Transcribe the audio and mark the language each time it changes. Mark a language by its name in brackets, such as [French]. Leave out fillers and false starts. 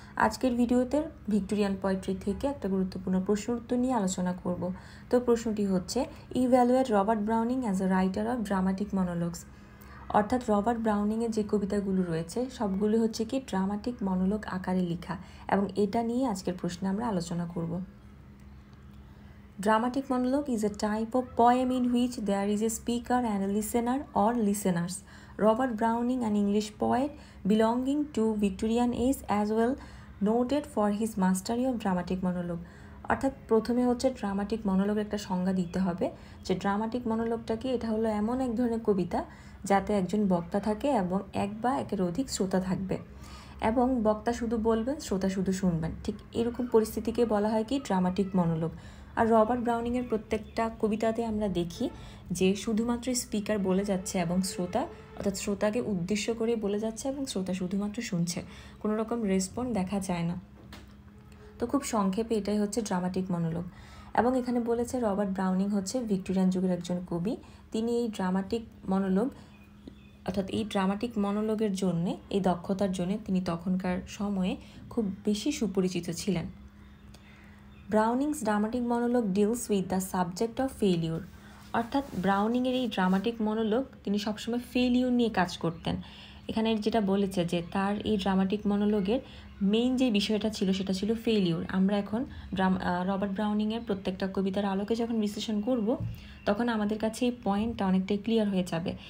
[Bangla] আজকের ভিডিওতে Victorian poetry থেকে একটা গুরুত্বপূর্ণ প্রশ্ন নিয়ে আলোচনা করব। তো প্রশ্নটি হচ্ছে [English] Evaluate Robert Browning as a writer of dramatic monologues. [Bangla] অর্থাৎ রবার্ট ব্রাউনিংয়ের যে কবিতাগুলো রয়েছে সবগুলো হচ্ছে কি ড্রামাটিক মনোলগ আকারে লেখা, এবং এটা নিয়ে আজকের প্রশ্নে আমরা আলোচনা করব। [English] Dramatic monologue is a type of poem in which there is a speaker and a listener or listeners. Robert Browning, an English poet belonging to Victorian age as well, noted for his mastery of dramatic monologue. [Bangla] অর্থাৎ প্রথমে হচ্ছে dramatic মনোলগের একটা সংজ্ঞা দিতে হবে, যে dramatic মনোলগটা কি, এটা হলো এমন এক ধরনের কবিতা যাতে একজন বক্তা থাকে এবং এক বা একের অধিক শ্রোতা থাকবে, এবং বক্তা শুধু বলবেন, শ্রোতা শুধু শুনবেন, ঠিক এরকম পরিস্থিতিকে বলা হয় কি ড্রামাটিক মনোলগ। আর রবার্ট ব্রাউনিংয়ের প্রত্যেকটা কবিতাতে আমরা দেখি যে শুধুমাত্র স্পিকার বলে যাচ্ছে এবং শ্রোতা, অর্থাৎ শ্রোতাকে উদ্দেশ্য করে বলে যাচ্ছে এবং শ্রোতা শুধুমাত্র শুনছে, কোনো রকম রেসপন্স দেখা যায় না। তো খুব সংক্ষেপে এটাই হচ্ছে ড্রামাটিক মনোলগ। এবং এখানে বলেছে রবার্ট ব্রাউনিং হচ্ছে ভিক্টোরিয়ান যুগের একজন কবি, তিনি এই ড্রামাটিক মনোলগ, অর্থাৎ এই ড্রামাটিক মনোলগের জন্যে, এই দক্ষতার জন্যে তিনি তখনকার সময়ে খুব বেশি সুপরিচিত ছিলেন। [English] Browning's dramatic monologue deals with the subject of failure. [Bangla] অর্থাৎ ব্রাউনিংয়ের এই ড্রামাটিক মনোলগ, তিনি সবসময় ফেলিওর নিয়ে কাজ করতেন। এখানে যেটা বলেছে যে তার এই ড্রামাটিক মনোলগের মেইন যে বিষয়টা ছিল সেটা ছিল ফেলিওর। আমরা এখন রবার্ট ব্রাউনিংয়ের প্রত্যেকটা কবিতার আলোকে যখন বিশ্লেষণ করব, তখন আমাদের কাছে এই পয়েন্টটা অনেকটাই ক্লিয়ার হয়ে যাবে।